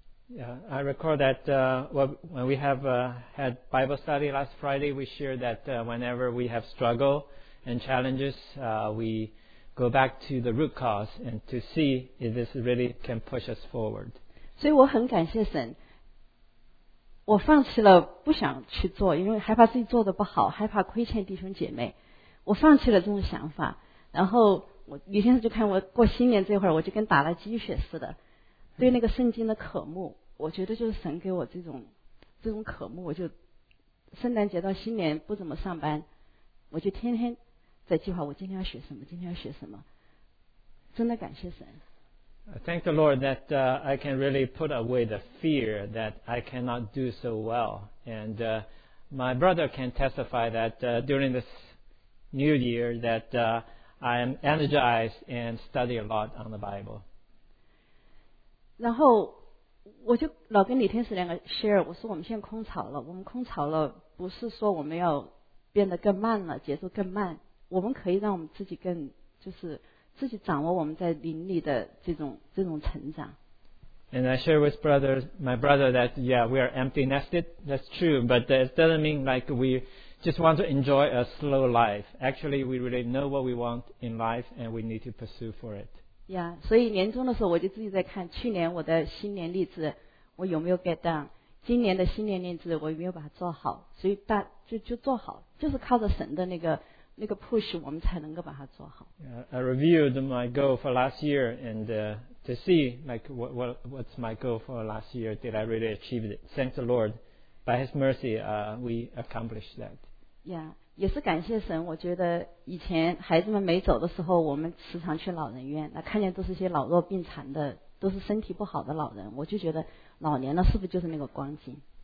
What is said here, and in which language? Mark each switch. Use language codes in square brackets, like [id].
[en] Yeah, I recall that when we have had Bible study last Friday, we shared that whenever we have struggle and challenges, we go back to the root cause and to see if this really can push us forward. [zh] 所以我很感谢神。我放弃了不想去做，因为害怕自己做的不好，害怕亏欠弟兄姐妹。我放弃了这种想法，然后我于先生就看我过新年这会儿，我就跟打了鸡血似的，对那个圣经的渴慕，我觉得就是神给我这种渴慕，我就圣诞节到新年不怎么上班，我就天天在计划我今天要学什么，今天要学什么。真的感谢神。 [en] Thank the Lord that I can really put away the fear that I cannot do so well. And my brother can testify that during this new year that I am energized and study a lot on the Bible. [zh] 然后我就老跟李天使两个 share， 我说我们现在空巢了，我们空巢了不是说我们要变得更慢了，节奏更慢，我们可以让我们自己更就是自己掌握我们在灵里的这种成长。 [en] And I share with my brother that yeah we are empty nested. That's true, but that doesn't mean like we just want to enjoy a slow life. Actually, we really know what we want in life, and we need to pursue for it. [zh] Yeah, 所以年终的时候我就自己在看去年我的新年励志我有没有 [en] get down， [zh] 今年的新年励志我有没有把它做好。所以大就做好，就是靠着神的那个 push， 我们才能够把它做好。 [en] I reviewed my goal for last year and to see like what's my goal for last year. Did I really achieve it? Thank the Lord, by His mercy, we accomplished that. [zh] Yeah， 也是感谢神。我觉得以前孩子们没走的时候，我们时常去老人院，那看见都是些老弱病残的，都是身体不好的老人，我就觉得老年了是不是就是那个光景